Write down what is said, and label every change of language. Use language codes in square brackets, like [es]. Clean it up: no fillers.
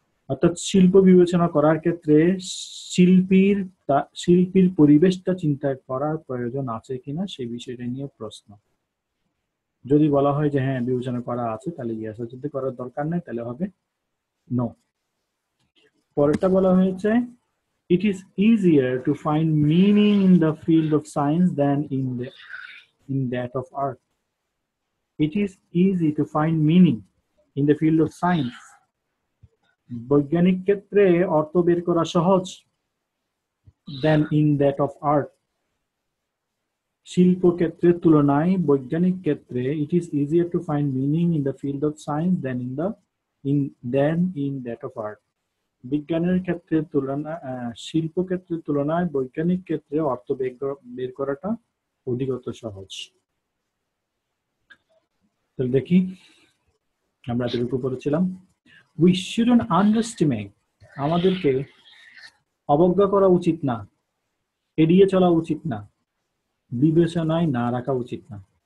[bn] অর্থাৎ শিল্প বিবেচনা করার ক্ষেত্রে শিল্পীর শিল্পীর পরিবেশটা চিন্তা করার প্রয়োজন আছে কিনা সেই বিষয়টা নিয়ে প্রশ্ন। যদি বলা হয় যে হ্যাঁ বিবেচনা করা আছে, তাহলে ইয়েস, যদি করার দরকার নেই তাহলে হবে নো। পরেরটা বলা হয়েছে [en] it is easier to find meaning in the field of science than in that of art. It is easy to find meaning in the field of science. [bn] বৈজ্ঞানিক ক্ষেত্রে অর্থ বের করা সহজ [en] than in that of art. [bn] শিল্প ক্ষেত্রে তুলনায় বৈজ্ঞানিক ক্ষেত্রে [en] it is easier to find meaning in the field of science than in that of art. [bn] বিজ্ঞানের ক্ষেত্রে তুলনা শিল্প ক্ষেত্রের তুলনায় বৈজ্ঞানিক ক্ষেত্রে অর্থ বের করাটা অধিকতর সহজ। তাহলে দেখি আমরা এটুকু পড়েছিলাম। [en] we shouldn't underestimate, [bn] আমাদেরকে অবজ্ঞা করা উচিত না, এড়িয়ে চলা উচিত না, বিবেচনায় না রাখা উচিত না।